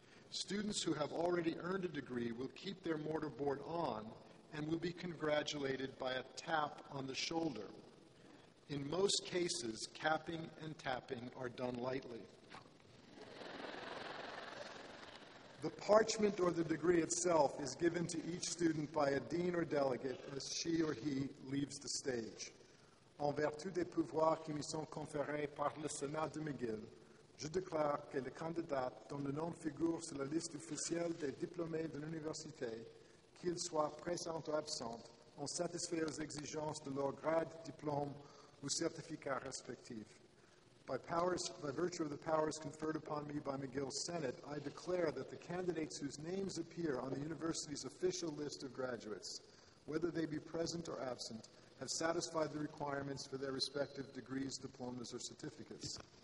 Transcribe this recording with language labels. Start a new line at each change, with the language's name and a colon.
English: Students who have already earned a degree will keep their mortarboard on and will be congratulated by a tap on the shoulder. In most cases, capping and tapping are done lightly. The parchment or the degree itself is given to each student by a dean or delegate as she or he leaves the stage.
French: En vertu des pouvoirs qui me sont conférés par le Sénat de McGill, je déclare que le candidat dont le nom figure sur la liste officielle des diplômés de l'université, qu'il soit présent ou absent, ont satisfait aux exigences de leur grade, diplôme ou certificat respectif.
English: By virtue of the powers conferred upon me by McGill Senate, I declare that the candidates whose names appear on the university's official list of graduates, whether they be present or absent, have satisfied the requirements for their respective degrees, diplomas, or certificates.